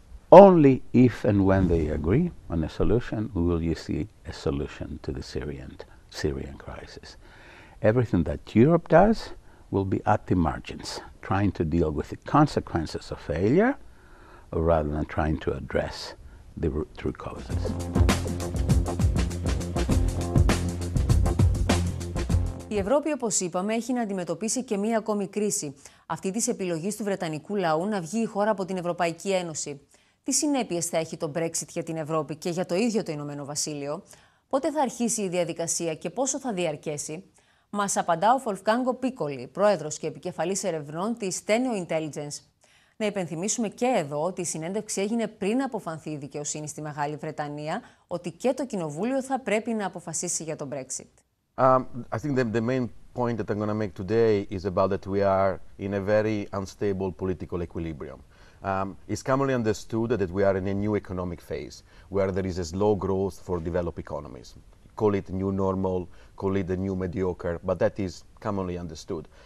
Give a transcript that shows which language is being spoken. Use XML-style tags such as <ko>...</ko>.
<en>Only if and when they agree on a solution will you see a solution to the Syrian crisis. Everything that Europe does will be at the margins, trying to deal with the consequences of failure rather than trying to address the root causes.</en> <el>Η Ευρώπη, όπως είπαμε, έχει να αντιμετωπίσει και μία ακόμη κρίση, αυτή της επιλογής του Βρετανικού λαού να βγει η χώρα από την Ευρωπαϊκή Ένωση. Τι συνέπειες θα έχει το Brexit για την Ευρώπη και για το ίδιο το Ηνωμένο Βασίλειο, πότε θα αρχίσει η διαδικασία και πόσο θα διαρκέσει, μας απαντά ο Wolfango Piccoli, πρόεδρος και επικεφαλής ερευνών της Teneo Intelligence. Να υπενθυμίσουμε και εδώ ότι η συνέντευξη έγινε πριν αποφανθεί η δικαιοσύνη στη Μεγάλη Βρετανία ότι και το Κοινοβούλιο θα πρέπει να αποφασίσει για το Brexit.</el> <en>I think the main point that I'm going to make today is about that we are in a very unstable political equilibrium. It's commonly understood that we are in a new economic phase where there is a slow growth for developed economies. Call it new normal, call it the new mediocre, but that is commonly understood.</en>